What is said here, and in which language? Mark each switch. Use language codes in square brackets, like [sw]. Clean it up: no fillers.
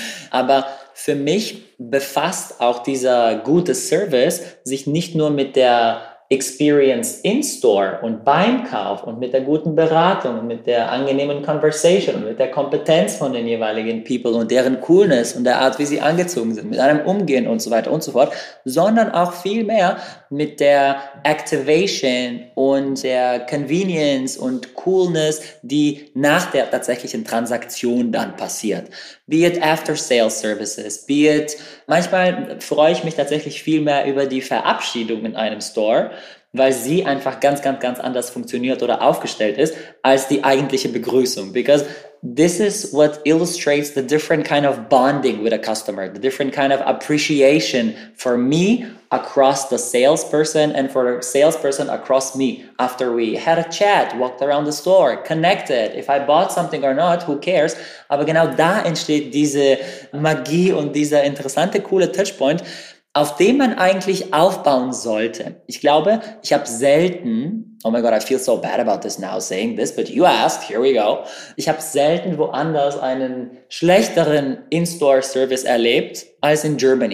[de] Aber für mich befasst auch dieser gute Service sich nicht nur mit der Experience in-store und beim Kauf und mit der guten Beratung und mit der angenehmen Conversation und mit der Kompetenz von den jeweiligen People und deren Coolness und der Art, wie sie angezogen sind, mit einem Umgehen und so weiter und so fort, sondern auch viel mehr mit der Activation und der Convenience und Coolness, die nach der tatsächlichen Transaktion dann passiert. [en] Be it [de] After-Sales-Services, [en] be it, [de] manchmal freue ich mich tatsächlich viel mehr über die Verabschiedung in einem Store, weil sie einfach ganz, ganz, ganz anders funktioniert oder aufgestellt ist als die eigentliche Begrüßung. [en] Because this is what illustrates the different kind of bonding with a customer, the different kind of appreciation for me across the salesperson and for the salesperson across me. After we had a chat, walked around the store, connected, if I bought something or not, who cares? [de] Aber genau da entsteht diese Magie und dieser interessante, coole Touchpoint, auf dem man eigentlich aufbauen sollte. Ich glaube, ich habe selten, [en] oh my God, I feel so bad about this now saying this, but you asked, here we go. [de] Ich habe selten woanders einen schlechteren In-Store-Service erlebt als in Germany.